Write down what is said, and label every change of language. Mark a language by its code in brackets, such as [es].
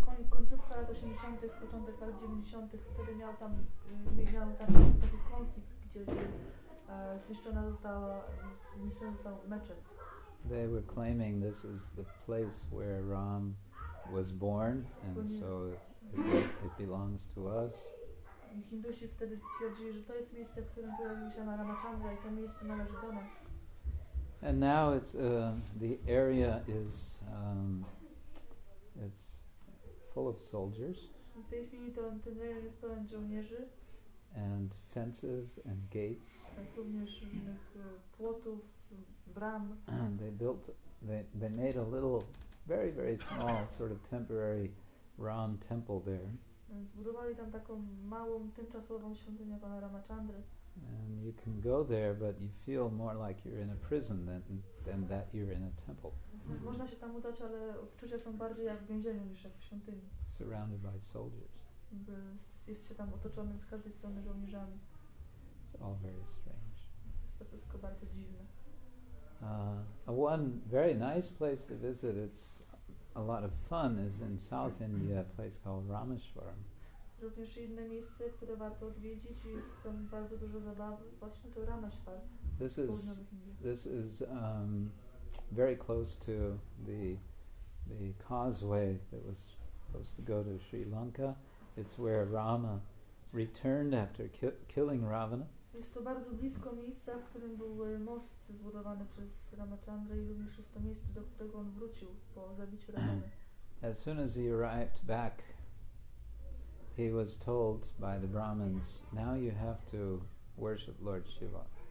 [pl] Końcówka lat 80-tych, początek lat 90-tych, wtedy miał tam taki konflikt, gdzie zniszczona została meczet. [en] They were claiming this is the place where Ram was born, and so it belongs to us. [pl] Hindusi wtedy twierdzili, że to jest miejsce, w którym pojawił się Ramachandra i to miejsce należy do nas. [en] And now it's the area is it's full of soldiers. [pl] W tej chwili ten rejon jest pełen żołnierzy. [en] And fences and gates. [pl] Tak również różnych płotów, bram. [en] And they made a little, very, very small sort of temporary Ram temple there. [pl] Zbudowali tam taką małą, tymczasową świątynię pana Ramachandry. [en] And you can go there, but you feel more like you're in a prison than that you're in a temple. [pl] Można się tam udać, ale odczucia są bardziej jak w więzieniu niż jak w świątyni. [en] Surrounded by soldiers. [pl] Jest się tam otoczony z każdej strony żołnierzami. [en] It's all very strange. [pl] Jest to wszystko bardzo dziwne. [en] One very nice place to visit, it's a lot of fun, is in South India, a place called Rameshwaram. [pl] Również inne miejsce, które warto odwiedzić, jest tam bardzo dużo zabawy, właśnie to Rameshwar. [en] This is very close to the causeway that was supposed to go to Sri Lanka. It's where Rama returned after killing Ravana. [pl] Jest to bardzo blisko miejsca, w którym był most zbudowany przez Ramachandra i również jest to miejsce, do którego on wrócił po zabiciu Ravana. [en] As soon as he arrived back, he was told by the Brahmins, now you have to worship Lord Shiva.